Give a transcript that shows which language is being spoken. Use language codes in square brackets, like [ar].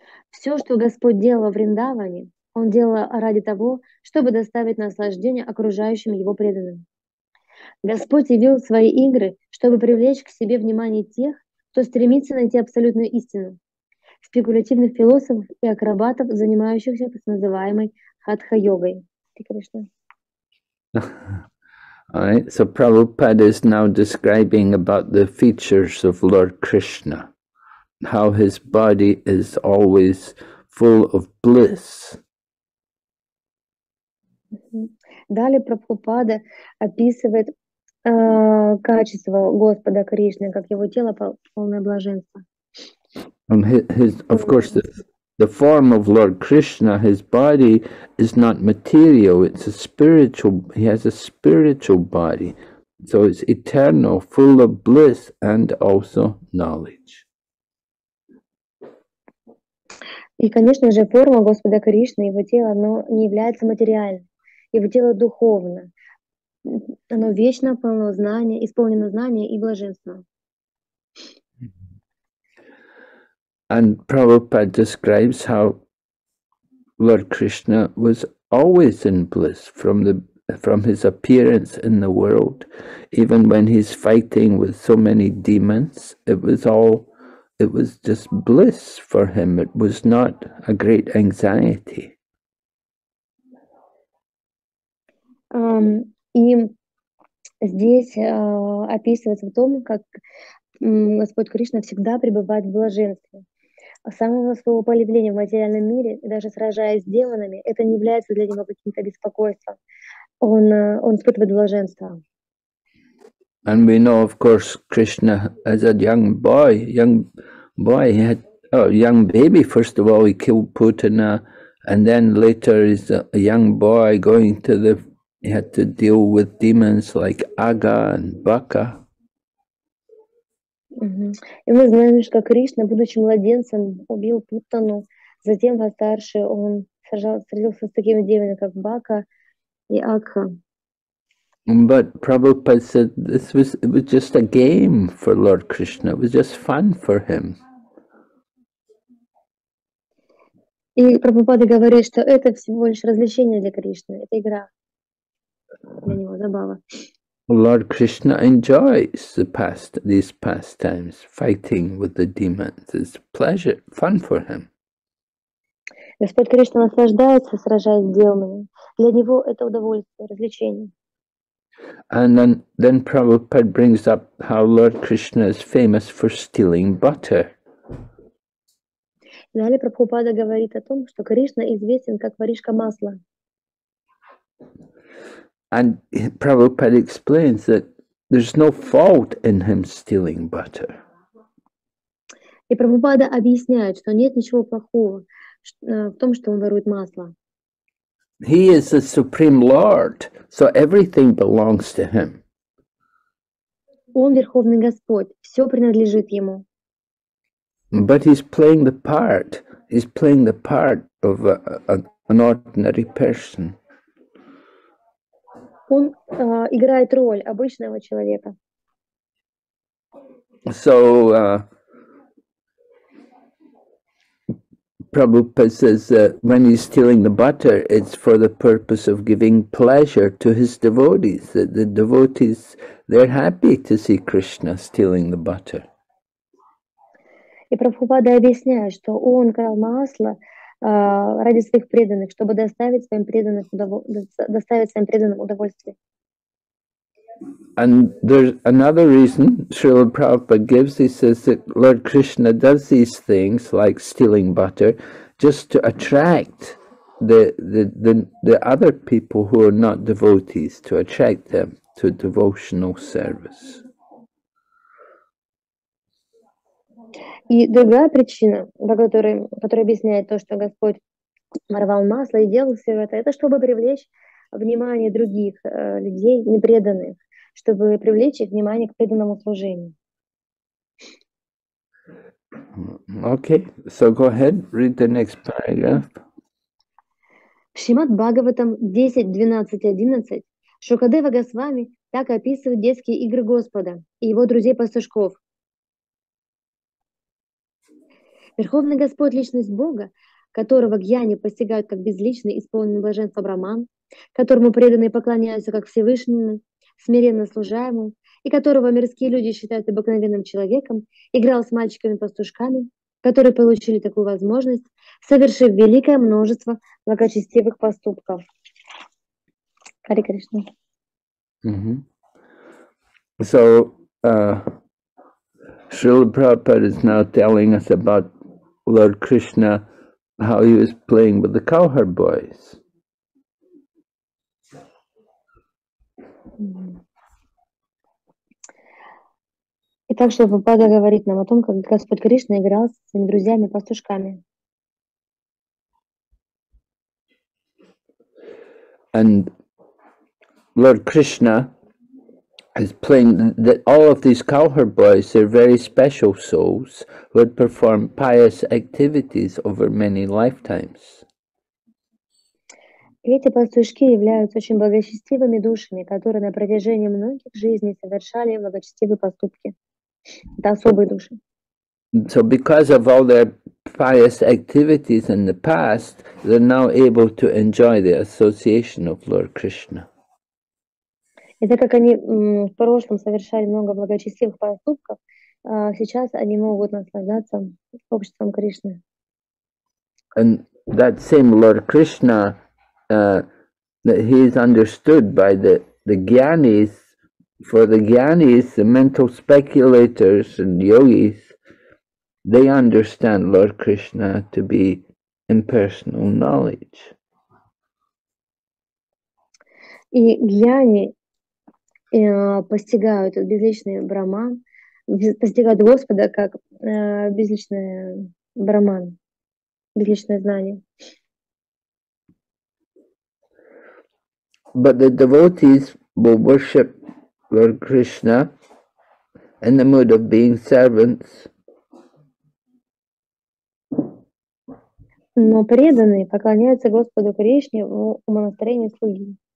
[ru] Все, что Господь делал во Вриндаване, он делал ради того, чтобы доставить наслаждение окружающим его преданным. Господь явил свои игры, чтобы привлечь к себе внимание тех, кто стремится найти абсолютную истину, спекулятивных философов и акробатов, занимающихся так называемой хатха-йогой. [en] All right, so Prabhupada is now describing about the features of Lord Krishna. How his body is always full of bliss. [ru] Далее Прабхупада описывает качество Господа Кришны, как его тело полное блаженство. [en] Of course, the form of Lord Krishna, his body is not material, it's a spiritual, he has a spiritual body. So it's eternal, full of bliss and also knowledge. [ru] И, конечно же, форма Господа Кришны, его тело, оно не является материальным. Его тело духовно. Оно вечно полно знания, исполнено знания и блаженства. [en] And Prabhupada describes how Lord Krishna was always in bliss from his appearance in the world, even when he's fighting with so many demons. It was just bliss for him. It was not a great anxiety. [ru] И здесь описывается в том, как Господь Кришна всегда пребывает в блаженстве. С самого своего появления в материальном мире, даже сражаясь с демонами, это не является для него каким-то беспокойством. Он испытывает блаженство. [en] And we know, of course, Krishna as a young boy, young baby, first of all, he killed Putana, and then later he's a young boy going to the, he had to deal with demons like Aga and Baka. [ru] И мы знаем, что Кришна, будучи младенцем, убил Путану, затем постарше он сражался с такими демонами, как Бака и Акха. [en] But Prabhupada said it was just a game for Lord Krishna, it was just fun for him. [ru] И Прабхупада говорит, что это всего лишь развлечение для Кришны, это игра для него, забава. [en] Lord Krishna enjoys these pastimes, fighting with the demons. It's pleasure, fun for him. [ru] Господь Кришна наслаждается, сражаясь с демонами. Для него это удовольствие, развлечение. [en] And then Prabhupada brings up how Lord Krishna is famous for stealing butter. [ru] Далее Прабхупада говорит о том, что Кришна известен как воришка масла. [en] And Prabhupada explains that there's no fault in him stealing butter. [ru] И Прабхупада объясняет, что нет ничего плохого в том, что он ворует масло. [en] He is the Supreme Lord, so everything belongs to him. [ru] Он Верховный Господь, все принадлежит ему. [en] But he's playing the part of an ordinary person. [ru] Он играет роль обычного человека. [en] So, Prabhupada says that when he's stealing the butter, it's for the purpose of giving pleasure to his devotees, that the devotees, they're happy to see Krishna stealing the butter. [ru] И Прабхупада объясняет, что он крал масло ради своих преданных, чтобы доставить своим преданным удовольствие. [en] And there's another reason Srila Prabhupada gives. He says that Lord Krishna does these things like stealing butter just to attract the other people who are not devotees, to attract them to devotional service. [ru] И другая причина, которая объясняет то, что Господь рвал масло и делал все это чтобы привлечь внимание других людей, непреданных, чтобы привлечь их внимание к преданному служению. [en] Okay, so go ahead, read the next paragraph. [ru] В Шримад Бхагаватам 10.12.11 Шукадева Госвами так описывает детские игры Господа и его друзей-пастушков. Верховный Господь – личность Бога, которого гьяни постигают как безличный, исполненный блаженства Брахман, которому преданные поклоняются как Всевышнему, смиренно служаему, и которого мирские люди считают обыкновенным человеком, играл с мальчиками-пастушками, которые получили такую возможность, совершив великое множество благочестивых поступков. Хари Кришна. [en] So, Srila Prabhupada is now telling us about Lord Krishna, how he was playing with the cowherd boys. [ru] Итак, что Прабхупада говорит нам о том, как Господь Кришна играл с своими друзьями-пастушками. [en] And Lord Krishna is playing that all of these cowherd boys, they're very special souls, would perform pious activities over many lifetimes. [ru] Эти пастушки являются очень благочестивыми душами, которые на протяжении многих жизней совершали благочестивые поступки. Это особые души. [en] So because of all their pious activities in the past, they're now able to enjoy the association of Lord Krishna. [ru] И так как они в прошлом совершали много благочестивых поступков, сейчас они могут наслаждаться обществом Кришны. [en] And that same Lord Krishna, that he is understood by the gyanis. For the gyanis, the mental speculators and yogis, they understand Lord Krishna to be impersonal knowledge. [ru] И гьяни постигают безличный брахман, постигают Господа как безличный брахман, безличное знание. [en] But the devotees will worship Lord Krishna in the mood of being servants. [ru] Но преданные поклоняются Господу Кришне в умонастроении слуги.